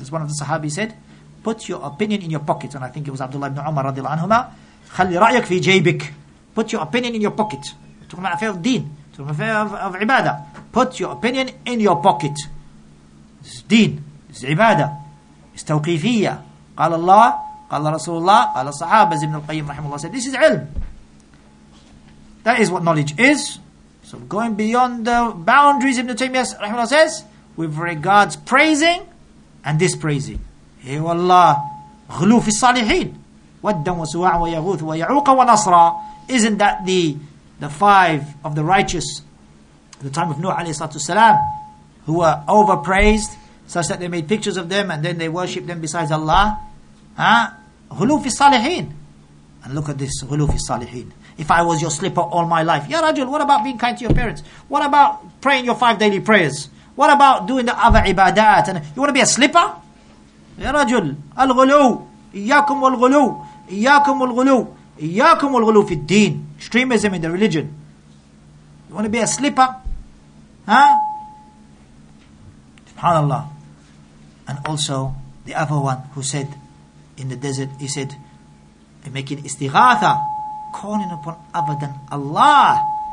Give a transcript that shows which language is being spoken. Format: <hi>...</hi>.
<en>As one of the Sahabi said, put your opinion in your pocket. And I think it was Abdullah ibn Umar radiallahu anhuma,</en> <ar>خَلِّ رَأْيَكْ فِي جَيْبِكْ.</ar> <en>Put your opinion in your pocket. Talking about affair of deen, talking about affair of ibadah. Put your opinion in your pocket. It's deen, it's ibadah, it's tawqifiyya.</en> <ar>قال الله, قال رسول الله, قال الصحابة, زبن القيم رحمه الله,</ar> <en>said, this is</en> <ar>علم.</ar> <en>That is what knowledge is. So going beyond the boundaries, Ibn Taymiyyah رحمه الله says, with regards praising and dispraising.</en> <ar>He والله غلو في الصالحين ودا وسواع ويغوث ويعوق ونصرا.</ar> <en>Isn't that the five of the righteous at the time of Nuh عليه الصلاة والسلام, who were overpraised such that they made pictures of them and then they worshipped them besides Allah?</en> <ar>غلوف الصالحين.</ar> <en>And look at this,</en> <ar>غلوف الصالحين.</ar> <en>If I was your slipper all my life, ya Rajul, what about being kind to your parents? What about praying your five daily prayers? What about doing the other ibadat? And you want to be a slipper? Ya Rajul,</en> <ar>الغلو, إياكم والغلو, إياكم والغلو, إياكم والغلو في الدين.</ar> <en>Extremism in the religion. You want to be a slipper? Huh? SubhanAllah. And also the other one who said, in the desert, he said, making istighatha, calling upon other than Allah.</en>